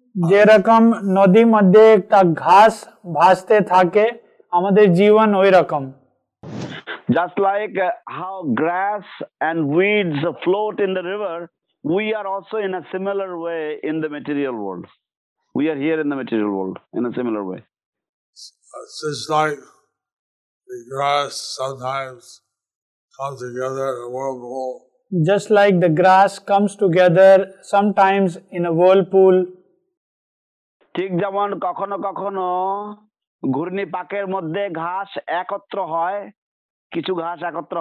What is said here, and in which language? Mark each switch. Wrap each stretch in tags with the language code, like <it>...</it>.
<bn>যেরকম নদীর মধ্যে একটা ঘাস ভাসতে থাকে, আমাদের জীবন ওই রকম.</bn> <en>Just like how grass and weeds float in the river, we are also in a similar way in the material world. We are here in the material world in a similar way. It's just like the grass sometimes comes together in a whirlpool. Just like the grass comes together sometimes in a whirlpool.</en> <bn>ঠিক যেমন কখনো কখনো ঘূর্ণি পাকের মধ্যে ঘাস একত্র হয়, কিছু ঘাস একত্র</bn>